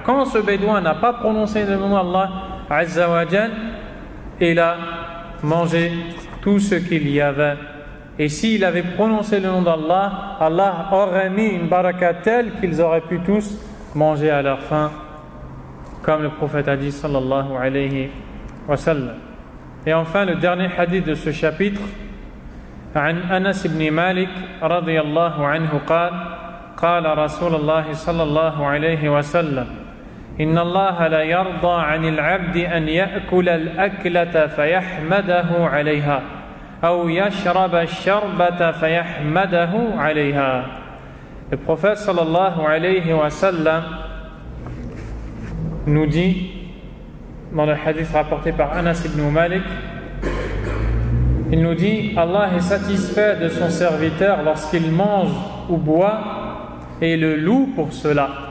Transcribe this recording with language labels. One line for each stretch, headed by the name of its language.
French: Quand ce bédouin n'a pas prononcé le nom d'Allah azza wa jal, il a mangé tout ce qu'il y avait. Et s'il avait prononcé le nom d'Allah, Allah aurait mis une baraka telle qu'ils auraient pu tous manger à leur faim, comme le prophète a dit sallallahu alayhi wa sallam. Et enfin, le dernier hadith de ce chapitre,
Arabic: عن أنس بن مالك رضي الله عنه قال قال رسول الله صلى الله عليه وسلم إن الله لا يرضى عن العبد أن يأكل الأكلة فيحمده عليها أو يشرب الشربة فيحمده عليها.
French: Le prophète صلى الله عليه وسلم nous dit dans le hadith rapporté par Anas ibn Malik, il nous dit, Allah est satisfait de son serviteur lorsqu'il mange ou boit et le loue pour cela.